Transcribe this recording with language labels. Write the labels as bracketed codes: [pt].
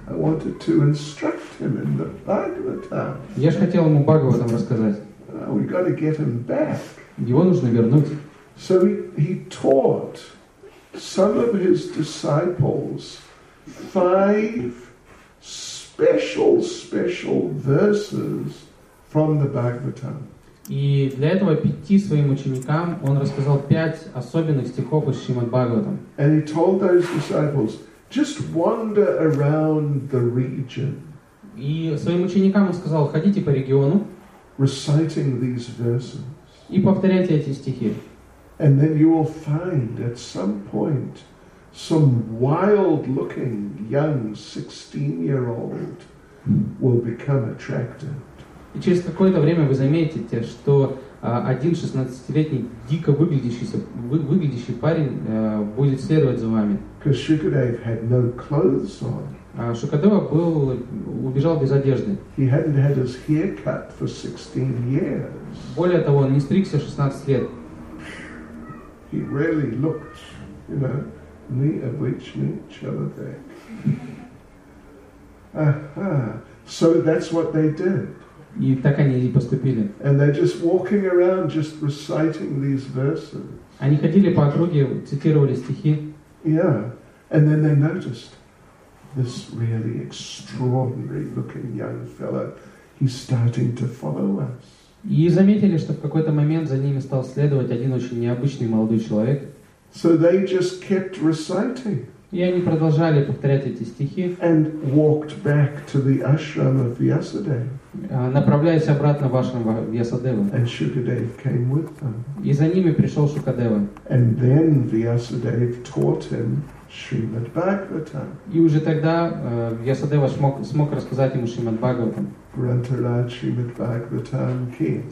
[en] I wanted to instruct him in the Bhagavatam. [ru] Я же хотел ему Бхагаватам рассказать. [en] We got to get him back. [ru] Его нужно вернуть. [en] So he taught some of his disciples five special verses from the Bhagavatam. [ru] И для этого пяти своим ученикам он рассказал пять особенных стихов из Шримад-Бхагаватам. [en] And he told those disciples, just wander around the region. [ru] И своим ученикам он сказал, ходите по региону. [en] Reciting these verses. [ru] И повторяйте эти стихи. [en] And then you will find at some point some wild-looking young 16-year-old will become attracted. [ru] И через какое-то время вы заметите, что один 16-летний дико выглядящий парень будет следовать за вами. [en] Shukadev had no clothes on. [ru] Шукадева убежал без одежды. [en] He hadn't had his hair cut for 16 years. [ru] Более того, он не стригся 16 лет. [en] He really looked, you know, [ru] необычный человек. Ага. [en] So that's what they did. [ru] И так они и поступили. [en] And they're just walking around, just reciting these verses. [ru] Они ходили по округе, цитировали стихи. [en] Yeah, and then they noticed this really extraordinary-looking young fellow. He's starting to follow us. [ru] И заметили, что в какой-то момент за ними стал следовать один очень необычный молодой человек. [en] So they just kept reciting. [ru] И они продолжали повторять эти стихи. [en] And walked back to the ashram of Vyasadeva. [ru] Направляясь обратно в ашрам Вьясадева. [en] And Shukadev came with them. [ru] И за ними пришел Шукадева. [en] And then Vyasadeva taught him Shrimad Bhagavatam. [ru] И уже тогда Вьясадева смог рассказать ему Шримад Бхагаватам. Грантарад Шримад Бхагаватам ки.